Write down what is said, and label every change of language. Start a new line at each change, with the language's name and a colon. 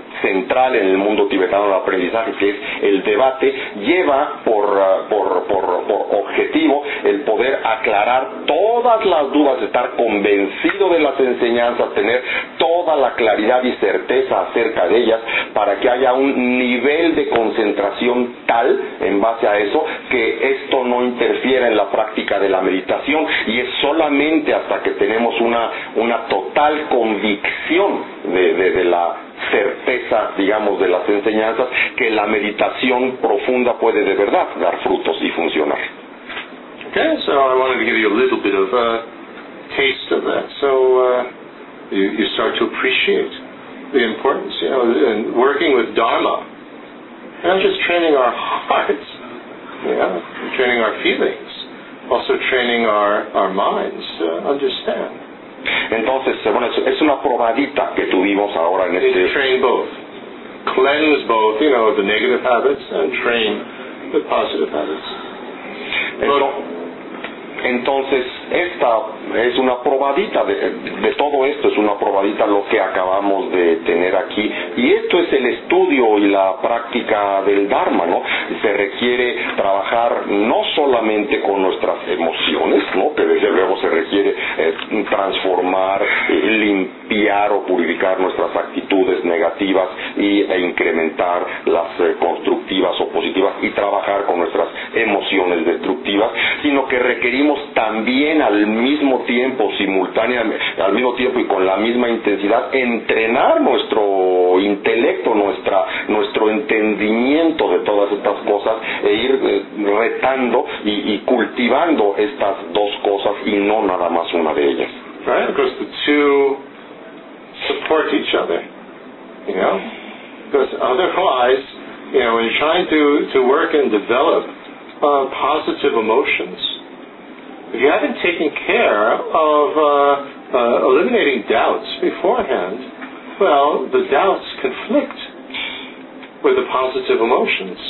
Spanish: central en el mundo tibetano del aprendizaje, que es el debate, lleva por objetivo el poder aclarar todas las dudas, estar convencido de las enseñanzas, tener toda la claridad y certeza acerca de ellas, para que haya un nivel de concentración tal, en base a eso, que esto no interfiera en la práctica de la meditación. Y es solamente hasta que tenemos una total convicción de la certeza, digamos, de las enseñanzas, que la meditación profunda puede de verdad dar frutos y funcionar.
English: Okay, so I wanted to give you a little bit of a taste of that, so you start to appreciate the importance, you know, in working with Dharma, not just training our hearts, you know, training our feelings, also training our minds to understand.
Spanish: Entonces, bueno, es una probadita que tuvimos ahora en este...
English: Train both. Cleanse both, you know, the negative habits and train the positive habits.
Spanish: Entonces, esta es una probadita de todo esto, es una probadita lo que acabamos de tener aquí. Y esto es el estudio y la práctica del Dharma, ¿no? Se requiere trabajar no solamente con nuestras emociones, ¿no? Que desde luego se requiere transformar, limpiar o purificar nuestras actitudes negativas e incrementar las constructivas o positivas, y trabajar con nuestras emociones destructivas, sino que requerimos también al mismo tiempo, simultáneamente, al mismo tiempo y con la misma intensidad, entrenar nuestro intelecto, nuestro entendimiento de todas estas cosas, e ir retando y cultivando estas dos cosas y no nada más una de ellas.
English: Right, because the two support each other, you know? Because otherwise, you know, when you're trying to work and develop positive emotions, if you haven't taken care of eliminating doubts beforehand, well, the doubts conflict with the positive emotions.